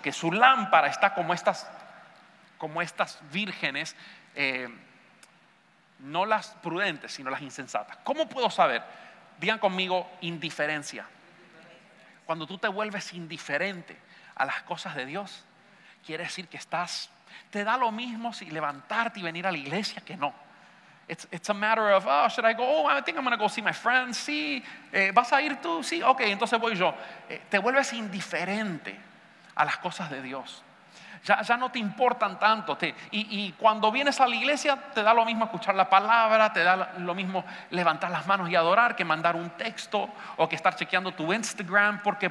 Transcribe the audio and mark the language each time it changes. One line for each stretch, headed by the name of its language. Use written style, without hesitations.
Spanish: Que su lámpara está como estas vírgenes, no las prudentes, sino las insensatas. ¿Cómo puedo saber? Digan conmigo, indiferencia. Cuando tú te vuelves indiferente a las cosas de Dios, quiere decir que estás, te da lo mismo si levantarte y venir a la iglesia que no.
English: It's a matter of, oh, should I go? Oh, I think I'm going to go see my friends.
Spanish: Sí, ¿vas a ir tú? Sí, ok, entonces voy yo. Te vuelves indiferente a las cosas de Dios. Ya no te importan tanto. Y cuando vienes a la iglesia, te da lo mismo escuchar la palabra, te da lo mismo levantar las manos y adorar que mandar un texto o que estar chequeando tu Instagram. ¿Por qué?